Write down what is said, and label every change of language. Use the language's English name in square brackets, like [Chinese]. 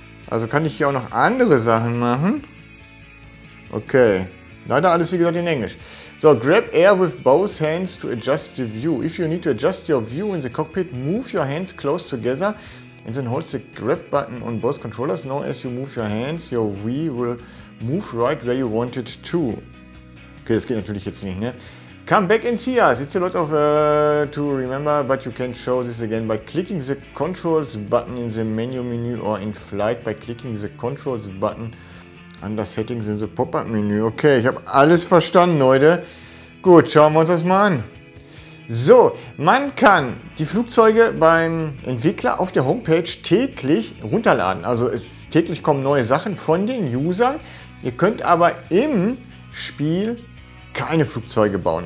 [German] Also kann ich hier auch noch andere Sachen machen. Okay. Leider alles wie gesagt in Englisch. [English] So, grab air with both hands to adjust the view. If you need to adjust your view in the cockpit, move your hands close together and then hold the grab button on both controllers. Now as you move your hands, your Wii will move right where you want it to. [German] Okay, das geht natürlich jetzt nicht, ne? [English] Come back and see us. It's a lot of to remember, but you can show this again by clicking the controls button in the menu or in flight by clicking the controls button under settings in the pop-up menu. [German] Okay, ich habe alles verstanden, Leute. Gut, schauen wir uns das mal an. So, man kann die Flugzeuge beim Entwickler auf der Homepage täglich runterladen. Also es täglich kommen neue Sachen von den Usern. Ihr könnt aber im Spiel keine Flugzeuge bauen.